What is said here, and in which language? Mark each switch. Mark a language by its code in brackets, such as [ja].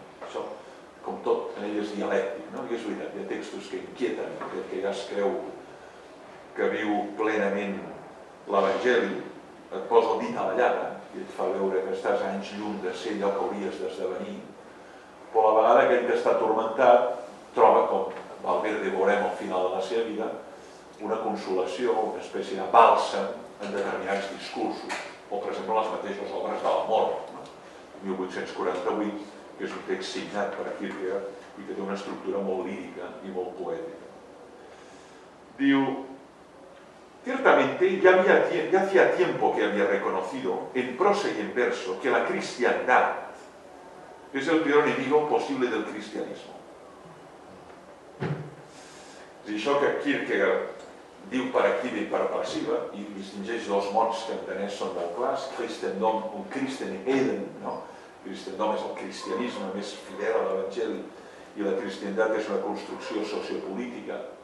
[ca] Això, com tot, en ell és dialèctic, no? I és veritat, hi ha textos que inquieten, que ja es creu que viu plenament l'Evangeli, et posa el dit a la llaga i et fa veure que estàs anys llum de ser allò que hauries d'esdevenir, però a la vegada aquell que està atormentat troba, com Valverde veurem al final de la seva vida, una consolació, una espècie de bàlsam en determinats discursos, o per exemple les mateixes obres de la mort, no? 1848, que és un text signat per Kierkegaard i que té una estructura molt lírica i molt poètica. [es] Diu, ciertamente ya hacía tiempo que había reconocido en prosa y en verso que la cristiandad es el peor enemigo posible del cristianismo. [ca] I això que Kierkegaard diu per activa i per passiva, i distingeix dos mots que entenés són del clas, Christendom, un Christen Eden, no? Christendom és el cristianisme més fidel a l'Evangeli, i la cristiandat és una construcció sociopolítica.